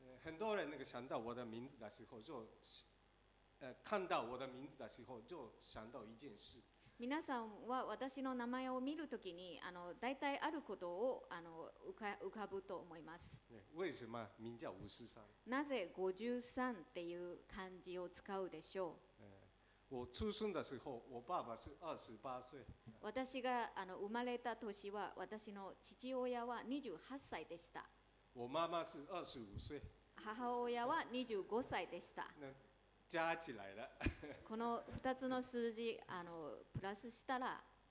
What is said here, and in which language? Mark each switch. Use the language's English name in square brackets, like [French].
[Chinese] 很多人那个想到我的名字的时候就看到我的名字的时候就想到一件事。 [Japanese] 皆さんは私の名前を見るときに大体あることを浮かぶと思います。 [Chinese] 为什么名叫吴世桑？ [Japanese] なぜ五十三っていう漢字を使うでしょう？ [Chinese] 我出生的时候我爸爸是二十八岁。 [Japanese] 私が生まれた年は私の父親は二十八歳でした。 [Chinese] 我妈妈是二十五岁。 [Japanese] 母親は二十五歳でした。 [Chinese] 加起来了。 [Japanese] この二つの数字プラスしたら、